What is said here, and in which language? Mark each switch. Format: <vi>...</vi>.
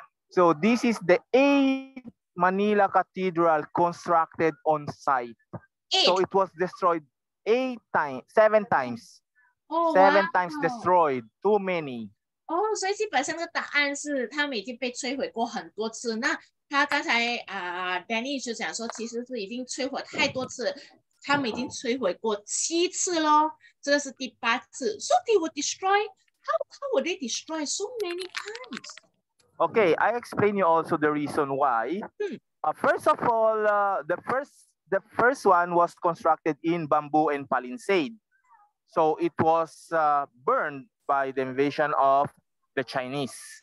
<en>So this is the 8th Manila Cathedral constructed on site. So it was destroyed seven times. Seven times destroyed, too many. Oh, so it's the person that answered, it has been destroyed many times.</en> <zh>他刚才 Danny 就讲说，其实是已经摧毁太多次，他们已经摧毁过七次咯，这个是第八次。</zh> <en>So they would destroy. How would they destroy so many times? Okay, I explain you also the reason why. First of all, the first one was constructed in bamboo and palisade, so it was burned by the invasion of the Chinese.</en>